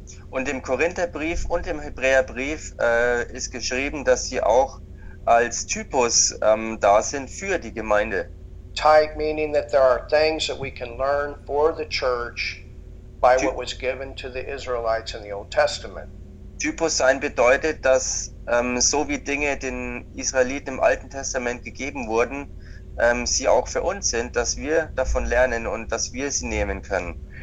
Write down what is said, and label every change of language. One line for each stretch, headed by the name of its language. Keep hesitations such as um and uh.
German: und im Korintherbrief und im Hebräerbrief äh, ist geschrieben, dass sie auch als Typus ähm, da sind für die Gemeinde.
English: Type meaning that there are things that we can learn for the church by what was given to the Israelites in the Old Testament.
German: Typus sein bedeutet, dass ähm, so wie Dinge den Israeliten im Alten Testament gegeben wurden, ähm, sie auch für uns sind, dass wir davon lernen und dass wir sie nehmen können.